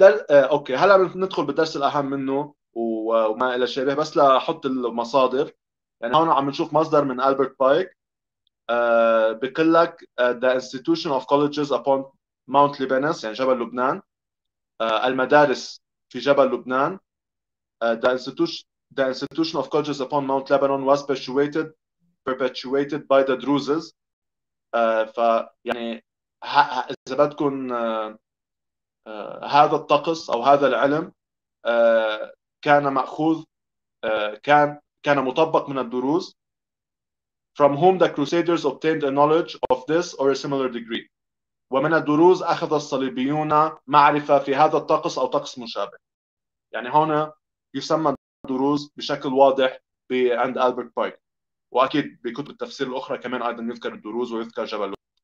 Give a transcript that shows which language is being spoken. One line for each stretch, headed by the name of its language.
Arabic: اوكي، هلا ندخل بالدرس الاهم منه وما الى شابه، بس لاحط المصادر. يعني هون عم نشوف مصدر من البرت بايك بيقول لك
English: The Institution of Colleges upon Mount Lebanon،
Arabic: يعني جبل لبنان، المدارس في جبل لبنان.
English: The Institution of Colleges upon Mount Lebanon was perpetuated by the Druzes.
Arabic: فيعني اذا بدكم هذا الطقس أو هذا العلم كان مأخوذ، كان مطبق من الدروز.
English: From whom the crusaders obtained a knowledge of this or a similar degree.
Arabic: ومن الدروز أخذ الصليبيون معرفة في هذا الطقس أو طقس مشابه. يعني هنا يسمى الدروز بشكل واضح عند ألبرت بايك، وأكيد بكتب التفسير الأخرى كمان أيضا يذكر الدروز ويذكر جبل.